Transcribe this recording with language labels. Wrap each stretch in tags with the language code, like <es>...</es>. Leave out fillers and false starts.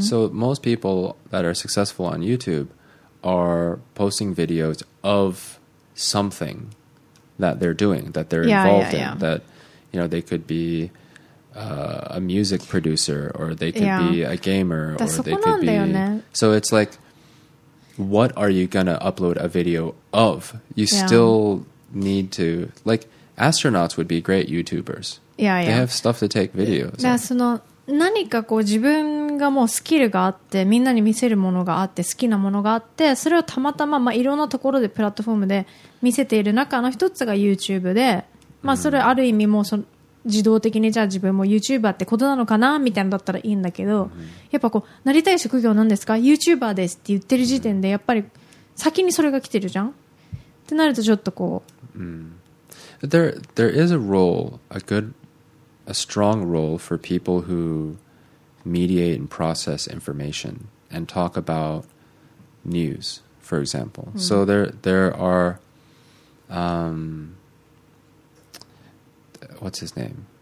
<en>So most people that are successful on YouTube are posting videos of something that they're doing, that they're involved in, that, you know, they could be a music producer or they could be a gamer so it's like, what are you going to upload a video of? You still need to, like, astronauts would be great YouTubers. They have stuff to take videos.</en> <ja>その何かこう自分がもうスキルがあってみんなに見せるものがあって好きなものがあってそれをたまたま、まあ、いろんなところでプラットフォームで見せている中の一つが YouTube で、まあ、それある意味もうその自動的にじゃあ自分も YouTuber ってことなのかなみたいなのだったらいいんだけど、やっぱこうなりたい職業なんですか YouTuber ですって言ってる時点でやっぱり先にそれが来てるじゃんってなるとちょっとこう、</ja> <en>There is a role, a strong role for people who mediate and process information and talk about news, for example. Mm. So there are, what's his name?</en>